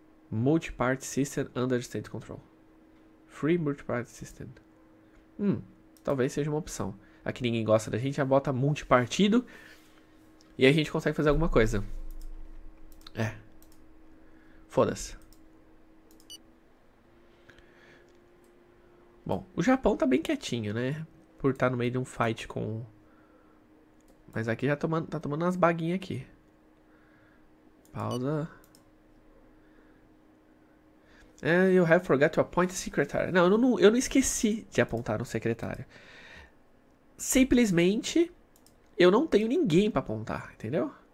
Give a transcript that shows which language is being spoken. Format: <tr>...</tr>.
<en>Multi-party system under state control. Free multi-party system.</en> <pt>Talvez seja uma opção. Aqui ninguém gosta da gente, já bota multipartido e a gente consegue fazer alguma coisa. É. Foda-se. Bom, o Japão tá bem quietinho, né? Por estar no meio de um fight com. Mas aqui já tá tomando umas baguinhas aqui. Pausa.</pt> <en>And you have forgot to appoint a secretary.</en> <pt>Não, eu não esqueci de apontar um secretário. Simplesmente, eu não tenho ninguém para apontar, entendeu?</pt>